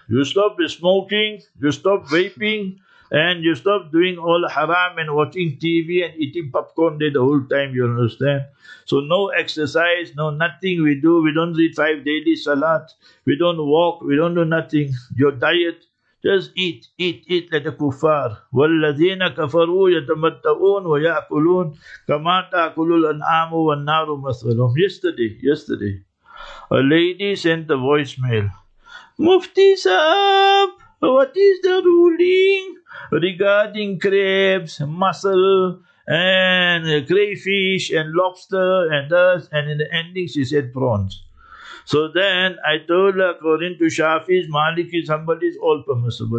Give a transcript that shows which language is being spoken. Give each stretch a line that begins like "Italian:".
English: You stop smoking, you stop vaping, and you stop doing all haram and watching TV and eating popcorn there the whole time, you understand? So no exercise, no nothing we do. We don't read 5 daily salat. We don't walk, we don't do nothing. Your diet, just eat like the kuffar.
Arabic: وَالَّذِينَ كَفَرُوا يَتَمَتَّعُونَ وَيَأْكُلُونَ كَمَا تَأْكُلُوا الْأَنْعَامُ وَالنَّارُ مَثْوَلُهُمْ
English: Yesterday, a lady sent a voicemail. Mufti Saab, what is the ruling regarding crabs, mussel, and crayfish, and lobster, and thus, and in the ending she said prawns. So then I told her, according to Shafi's, Maliki's, Hanbali's, all permissible.